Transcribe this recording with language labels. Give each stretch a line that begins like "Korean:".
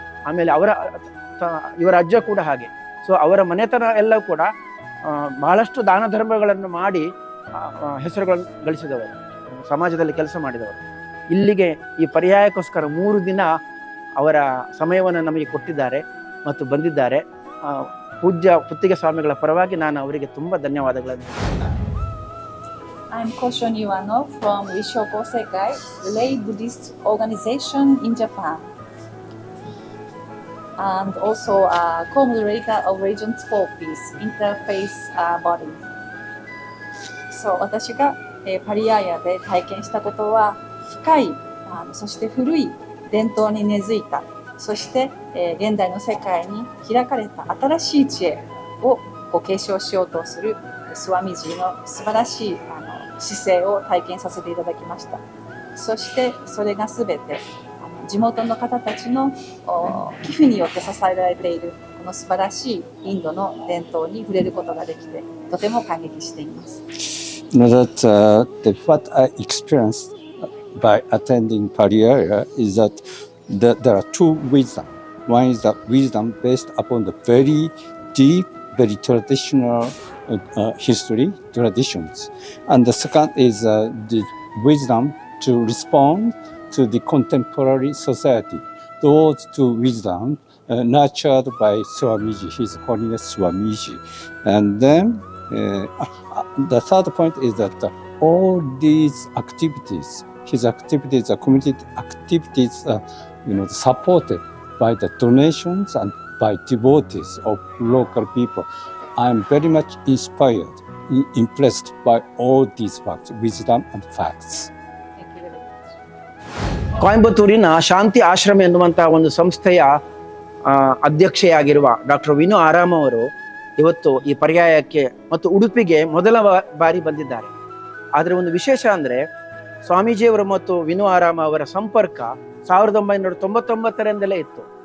Kannada: ಆಮೇಲೆ ಅವರ ಇವರ ಅಜ್ಜ ಕೂಡ ಹಾಗೆ. ಸೊ ಅವರ ಮನೆತನ ಎಲ್ಲ ಕೂಡ ಬಹಳಷ್ಟು ದಾನ ಧರ್ಮಗಳನ್ನು ಮಾಡಿ ಹೆಸರುಗಳನ್ನು ಗಳಿಸಿದವರು, ಸಮಾಜದಲ್ಲಿ ಕೆಲಸ ಮಾಡಿದವರು. ಇಲ್ಲಿಗೆ ಈ ಪರ್ಯಾಯಕ್ಕೋಸ್ಕರ 3 ದಿನ ಅವರ ಸಮಯವನ್ನು ನಮಗೆ ಕೊಟ್ಟಿದ್ದಾರೆ ಮತ್ತು ಬಂದಿದ್ದಾರೆ. ಪೂಜ್ಯ ಪುತ್ತಿಗೆ ಸ್ವಾಮಿಗಳ ಪರವಾಗಿ ನಾನು ಅವರಿಗೆ ತುಂಬ ಧನ್ಯವಾದಗಳನ್ನು.
English: I am Kosho Nivano from Rishō Kōsekai, lay Buddhist organization in Japan. And also a co-moderator of Region 4 Peace, interfaith body.
Japanese: So, 私が、パリアーヤで体験したことは、深い、そして古い伝統に根付いた、そして、現代の世界に開かれた新しい知恵をご継承しようとする、スワミジの素晴らしい姿勢を体験させていただきました。そしてそれがすべて地元の方たちの寄付によって支えられているこの素晴らしいインドの伝統に触れることができてとても感激しています。
English: Now that, what I experienced by attending Pariyaya is that there are two wisdom. One is the wisdom based upon the very deep, very traditionalhistory, traditions. And the second is the wisdom to respond to the contemporary society. Those two wisdom nurtured by Swamiji, His Holiness Swamiji. And then the third point is that all these activities, his activities, the community activities, supported by the donations and by devotees of local people. I am very much inspired, impressed by all these facts, wisdom and facts.
Kannada: ಕೊಯಂಬತ್ತೂರಿನ ಶಾಂತಿ ಆಶ್ರಮ ಎನ್ನುವಂತಹ ಒಂದು ಸಂಸ್ಥೆಯ ಅಧ್ಯಕ್ಷೆಯಾಗಿರುವ doctor Vinu ಆರಾಮ ಅವರು ಇವತ್ತು ಈ ಪರ್ಯಾಯಕ್ಕೆ ಮತ್ತು ಉಡುಪಿಗೆ ಮೊದಲ ಬಾರಿ ಬಂದಿದ್ದಾರೆ. ಆದರೆ ಒಂದು ವಿಶೇಷ ಅಂದರೆ ಸ್ವಾಮೀಜಿಯವರು ಮತ್ತು ವಿನು ಆರಾಮ ಅವರ ಸಂಪರ್ಕ 1999 ಇತ್ತು.